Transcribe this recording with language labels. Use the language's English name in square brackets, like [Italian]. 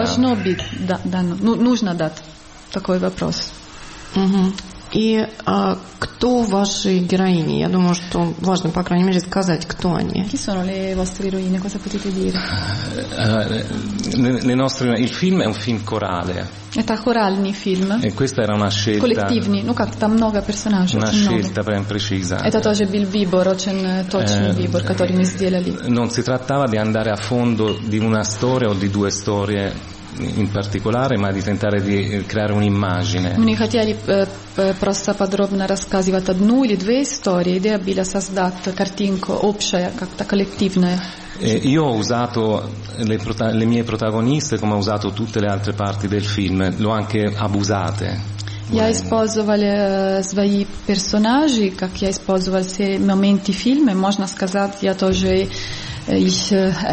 [Russian] Должно быть, да, нужно дать такой вопрос. И кто ваши героини? Я думаю, что важно, по крайней мере, сказать, кто они. [Italian] Chi sono le vostre eroine? Cosa potete dire? Le nostre, il film è un film corale. [Russian] Это хоральный фильм. [Italian] E questa era una scelta. [Russian] Коллективный. Ну как, там много персонажей. [Italian] Una scelta ben precisa. [Russian] Это тоже был выбор, очень точный выбор, который мы сделали. [Italian] Non si trattava di andare a fondo di una storia o di due storie in particolare, ma di tentare di creare un'immagine. [Russian] Мы хотели просто подробно рассказывать одну или две истории. Идея была создать картинку общая, как-то коллективная. [Italian] Io ho usato le mie protagoniste come ho usato tutte le altre parti del film, l'ho anche abusate. [Russian] Я использовала свои персонажи, как я использовала все моменты фильма, можно сказать, я тоже их